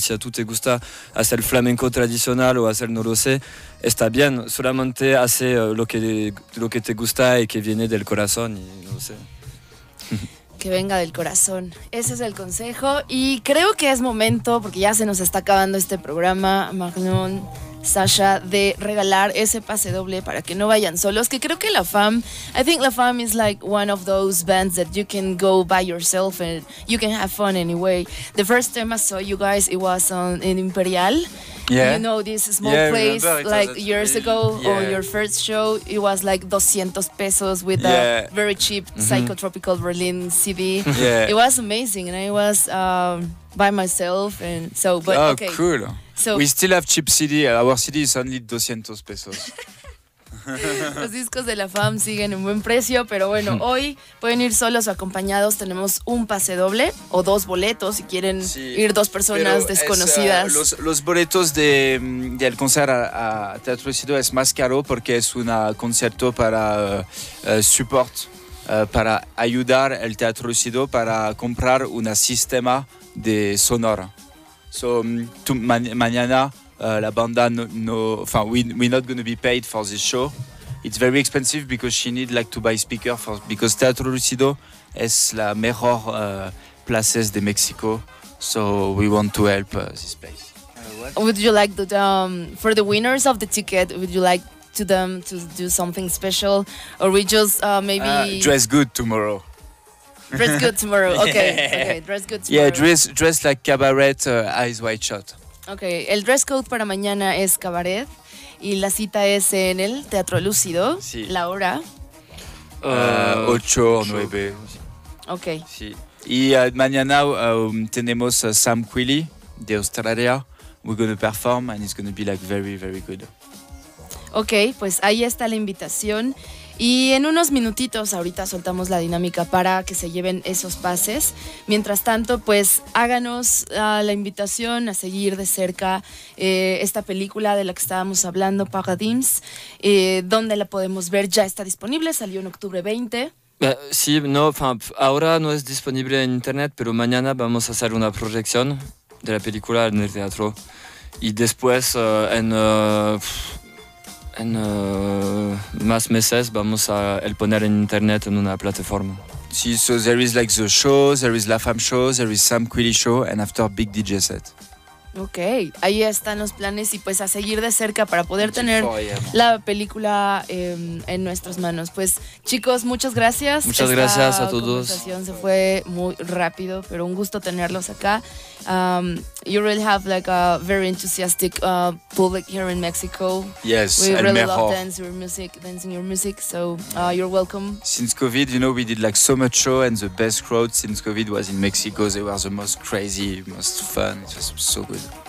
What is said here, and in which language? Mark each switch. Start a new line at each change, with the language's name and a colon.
Spanish: Si a tú te gusta hacer flamenco tradicional o hacer no lo sé, está bien, solamente hace lo que te gusta y que viene del corazón y no lo sé. Que venga del corazón. Ese es el consejo. Y creo que es momento, porque ya se nos está acabando este programa, Magnon, Sasha, de regalar ese pase doble para que no vayan solos. Que creo que
English: La Fam, I think La Fam is like one of those bands that you can go by yourself and you can have fun anyway. The first time I saw you guys, it was in Imperial. Yeah. You know, this small place, like years ago, or your first show, it was like 200 pesos with a very cheap psychotropical Berlin CD. Yeah. It was amazing, and I was by myself, and so, but oh, okay. Oh, cool. So, we still have cheap CD. Our CD is only 200 pesos.
Spanish: Los discos de La Fam siguen en buen precio, pero bueno, hoy pueden ir solos o acompañados. Tenemos un pase doble o dos boletos si quieren ir dos personas desconocidas. Los boletos del concierto a Teatro Sido es más caro porque es un concierto para support, para ayudar al Teatro Sido para comprar un sistema de sonora. So, mañana. La banda
English: we're not going to be paid for this show. It's very expensive because she need like to buy speaker because Teatro Lucido
Spanish: es la mejor
English: places de Mexico, so we want to help this place. Would you like that for the winners of the ticket? Would you like to them to do something special, or we just maybe dress good tomorrow? Dress good tomorrow. Okay. Dress good tomorrow. Yeah, dress like cabaret, eyes wide shut.
Spanish: Okay, el dress code para mañana es cabaret y la cita es en el Teatro Lúcido. Sí. La hora 8 o 9.
English: Okay.
Spanish: Sí. Y mañana tenemos Sam Quilly de Australia.
English: We're going to perform and it's going to be like very very good.
Spanish: Okay, pues ahí está la invitación. Y en unos minutitos, ahorita soltamos la dinámica para que se lleven esos pases. Mientras tanto, pues háganos la invitación a seguir de cerca esta película de la que estábamos hablando, Paradigms. ¿Dónde la podemos ver? Ya está disponible, salió en octubre 20. Sí, no, ahora no es disponible en internet, pero mañana vamos a hacer una proyección de la película en el teatro. Y después más meses vamos a el poner en internet en una plataforma. Sí,
English: so there is like the show, there is La Fam show, there is Sam Quilly show and after big DJ set.
Spanish: Okay, ahí están los planes y pues a seguir de cerca para poder tener la película en nuestras manos. Pues chicos, muchas gracias. Muchas gracias a todos. La conversación se fue muy rápido, pero un gusto tenerlos acá.
English: You really have like a very enthusiastic public here in Mexico. Yes, we
Spanish: el
English: really
Spanish: mejor.
English: Love dancing your music, so you're welcome. Since COVID, you know, we did like so much show and the best crowd since COVID was in Mexico. They were the most crazy, most fun. It was so good.